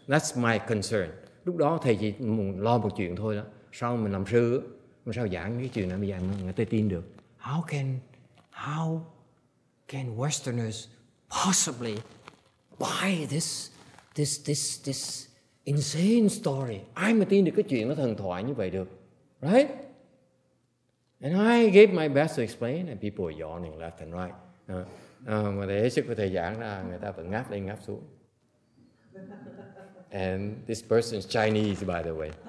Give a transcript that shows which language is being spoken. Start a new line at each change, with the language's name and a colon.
English: That's my concern.
Vietnamese: Lúc đó thầy chỉ lo một chuyện thôi đó. Sao mình làm sư, mình sao giảng cái chuyện này bây giờ người ta tin được.
English: How can Westerners possibly buy this insane story?
Vietnamese: Ai mà tin được cái chuyện nó thần thoại như vậy được, right?
English: And I gave my best to explain, and people were yawning left and right.
Vietnamese: Mà để hết sức của thầy giảng là người ta vẫn ngáp lên ngáp xuống.
English: And this person is Chinese, by the way.